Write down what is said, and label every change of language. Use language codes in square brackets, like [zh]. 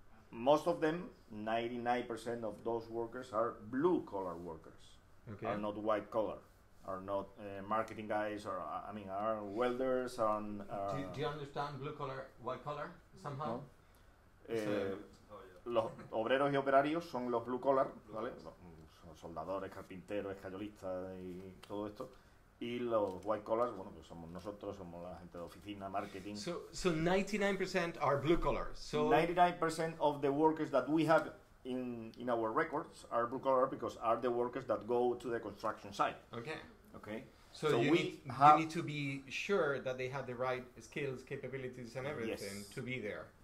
[en] Most of them, 99% of those workers are blue collar workers, are not white collar, are not marketing guys, or I mean, are welders. And do you understand blue collar, white collar somehow? No. [es] Los obreros y operarios son los blue collar, ¿vale? Soldadores, carpinteros, escayolistas y todo esto. Y los white collars, bueno, pues somos nosotros, somos la gente de oficina, marketing. [en] So 99% are blue collars. So 99% of the workers that we have in our records are blue collar because are the workers that go to the construction site. Okay. So you need to be sure that they have the right skills, capabilities and everything to be there.